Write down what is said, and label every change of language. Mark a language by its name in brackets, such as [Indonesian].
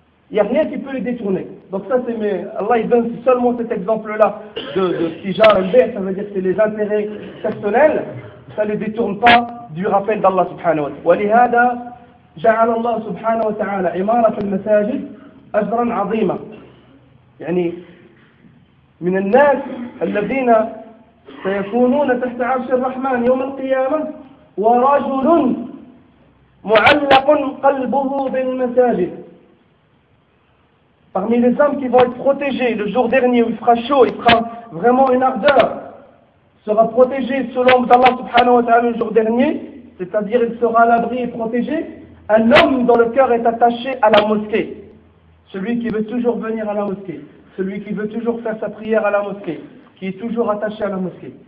[French] Il n'y a rien qui peut les détourner. Donc ça c'est, mais Allah il donne seulement cet exemple-là de tijara, al bay'a, ça veut dire que c'est les intérêts personnels, ça ne les détourne pas du rappel d'Allah subhanahu wa ta'ala. Wa li hada, [Arabic] جعل الله سبحانه وتعالى عمارة المساجد أجرا عظيما. يعني من الناس الذين سيكونون تحت عرش الرحمن يوم القيامة ورجل معلق قلبه بالمساجد. [French] Parmi les hommes qui vont être protégés le jour dernier où il fera chaud, il fera vraiment une ardeur, sera protégé selon Allah سبحانه وتعالى le jour dernier, c'est-à-dire il sera à l'abri et protégé. Un homme dont le cœur est attaché à la mosquée, celui qui veut toujours venir à la mosquée, celui qui veut toujours faire sa prière à la mosquée, qui est toujours attaché à la mosquée.